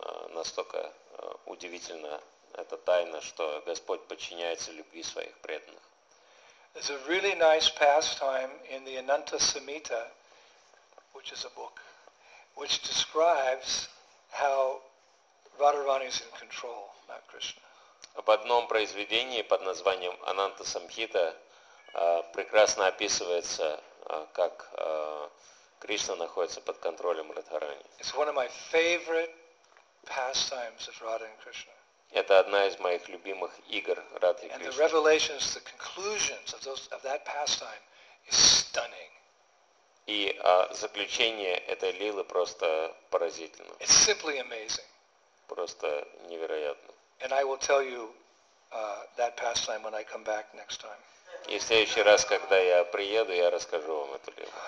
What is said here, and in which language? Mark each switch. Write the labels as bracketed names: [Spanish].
[Russian] Настолько удивительно эта тайна, что Господь подчиняется любви своих преданных. [English] There's a really nice pastime in the Ananta Samhita, which is a book, which describes how Radharani is in control, not Krishna. [Russian] В одном произведении под названием Ананта Самхита прекрасно описывается, как Кришна находится под контролем Радхарани. [English] It's one of my favorite pastimes of Radha and Krishna. [Russian] Это одна из моих любимых игр Радхи Кришны. [English] And the revelations, the conclusions of those of that pastime is stunning. [Russian] И заключение этой лилы просто поразительно. [English] It's simply amazing. [Russian] Просто невероятно. [English] And I will tell you that pastime when I come back next time. [Russian] И в следующий раз, когда я приеду, я расскажу вам эту лилу.